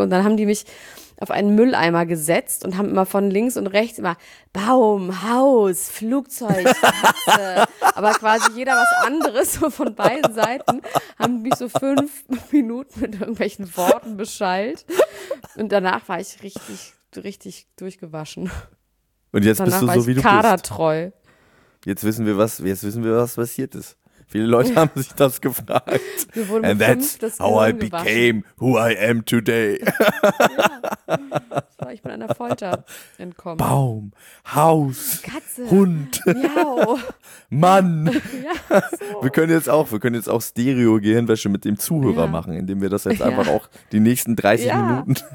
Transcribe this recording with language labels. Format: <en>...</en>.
<de>Und dann haben die mich auf einen Mülleimer gesetzt und haben immer von links und rechts immer Baum, Haus, Flugzeug, aber quasi jeder was anderes, so von beiden Seiten, haben mich so 5 Minuten mit irgendwelchen Worten beschallt und danach war ich richtig, richtig durchgewaschen. Und jetzt danach bist du so, wie du bist. Kadertreu. Jetzt wissen wir, was passiert ist. Viele Leute haben sich das gefragt.</de> <en>And that's how I became who I am today.</en> <de>Ja. Ich bin einer Folter entkommen. Baum, Haus, Katze, Hund, Miau. Mann. Ja, so. Wir können jetzt auch Stereo-Gehirnwäsche mit dem Zuhörer machen, indem wir das jetzt einfach auch die nächsten 30 Minuten.</de>